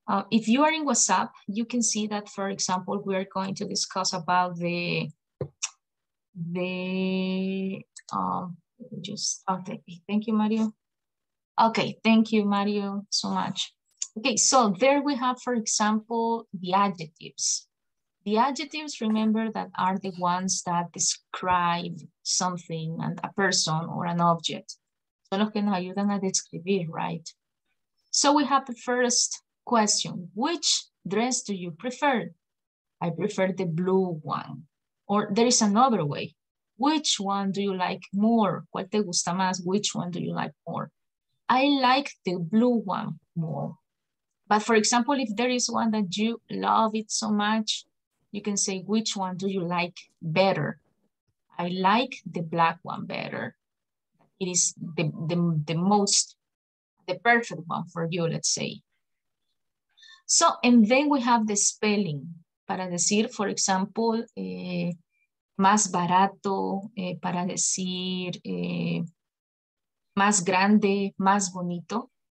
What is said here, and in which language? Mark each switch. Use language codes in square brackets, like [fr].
[en] If you are in WhatsApp, you can see that, for example, we are going to discuss about thank you, Mario. Okay, thank you, Mario, so much. Okay, so there we have, for example, the adjectives. The adjectives, remember, that are the ones that describe something and a person or an object. [es] Son los que nos ayudan a describir, right? [en] So we have the first question. Which dress do you prefer? I prefer the blue one. Or there is another way. Which one do you like more? [es] ¿Cuál te gusta más? [en] Which one do you like more? I like the blue one more. But for example, if there is one that you love it so much, you can say, which one do you like better? I like the black one better. It is the perfect one for you, let's say. So, and then we have the spelling. [es] para decir, [en] for example, [es] más barato, para decir más grande, más bonito.